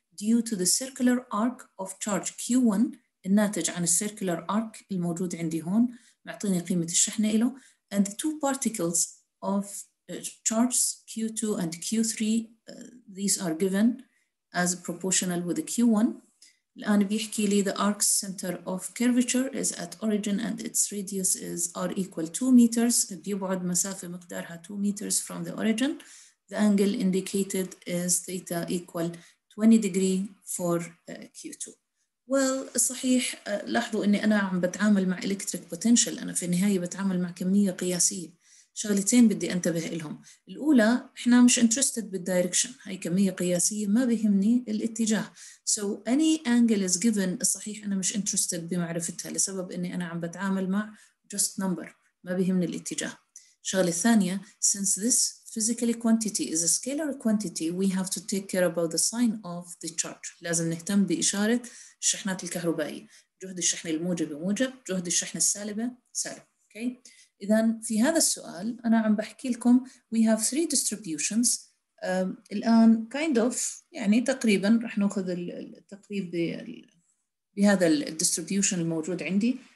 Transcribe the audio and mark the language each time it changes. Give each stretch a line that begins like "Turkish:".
English: due to the circular arc of charge Q1
Arabic: الناتج عن
English: circular arc
Arabic: الموجود عندي هون معطيني قيمة الشحنة إله
English: and the two particles of charges Q2 and Q3 these are given as proportional with the Q1
Arabic: الآن بيحكي لي
English: the arc center of curvature is at origin and its radius is r equal 2 meters.
Arabic: بيبعد مسافة مقدارها
English: 2 meters from the origin. The angle indicated is theta equal 20 degree for Q2.
Arabic: Well, صحيح لاحظوا أني أنا عم بتعامل مع electric potential. أنا في النهاية بتعامل مع كمية قياسية. شغلتين بدي أنتبه إلهم. الأولى إحنا مش interested بالdirection، هاي كمية قياسية ما بيهمني الاتجاه.
English: So any angle is given،
Arabic: صحيح أنا مش interested بمعرفتها لسبب أني أنا عم بتعامل مع
English: just number،
Arabic: ما بيهمني الاتجاه. شغلة ثانية،
English: since this physically quantity is a scalar quantity, we have to take care about the sign of the charge.
Arabic: لازم نهتم بإشارة الشحنات الكهربائية. جهد الشحن الموجب موجب، جهد الشحن السالبة سالب.
English: Okay.
Arabic: إذا في هذا السؤال أنا عم بحكي لكم
English: we have three distributions.
Arabic: الآن
English: kind of
Arabic: يعني تقريبا رح نأخذ التقريب بهذا الdistribution الموجود عندي.